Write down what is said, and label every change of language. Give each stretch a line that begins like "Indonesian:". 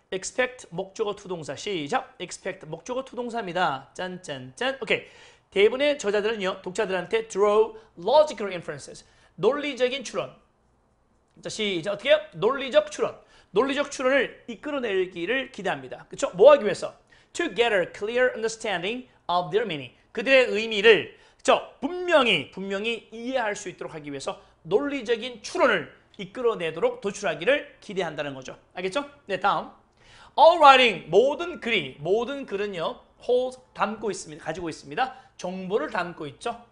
Korean: expect 목적어 투동사. 시작! expect 목적어 투동사입니다. 짠짠짠. 오케이. 대부분의 저자들은요. 독자들한테
English: draw logical inferences.
Korean: 논리적인 추론. 자, 시작. 어떻게 해요? 논리적 추론. 논리적 추론을 이끌어내기를 기대합니다. 그렇죠? 뭐 하기 위해서?
English: To get a clear understanding of their meaning.
Korean: 그들의 의미를 그렇죠? 분명히 이해할 수 있도록 하기 위해서 논리적인 추론을 이끌어내도록 도출하기를 기대한다는 거죠. 알겠죠? 네, 다음.
English: All writing,
Korean: 모든 글은요. holds, 담고 있습니다. 가지고 있습니다. 정보를 담고 있죠.